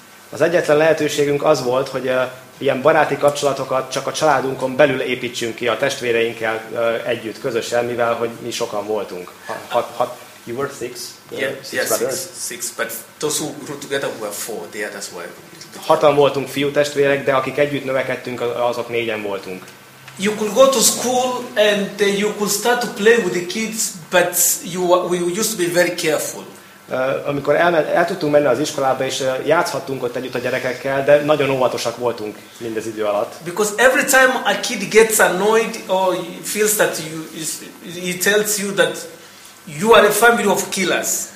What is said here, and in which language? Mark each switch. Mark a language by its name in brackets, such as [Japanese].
[Hungarian] Az egyetlen lehetőségünk az volt, hogy ilyen baráti kapcsolatokat csak a családunkon belül építsünk ki a testvéreinkkel együtt, közösen, mivel hogy mi sokan voltunk. [English] You were six? Six, but those who grew together were four, the others were. [Hungarian] Hatan voltunk fiú testvérek, de akik együtt növekedtünk, azok négyen voltunk. [English] You could go to school and you could start to play with the kids, but we used to be very careful. [Hungarian] Amikor el tudtunk menni az iskolába, és játszhattunk ott együtt a gyerekekkel, de nagyon óvatosak voltunk mindez idő alatt. [English] Because every time a kid gets annoyed or feels that you, he tells you that you are a family of killers.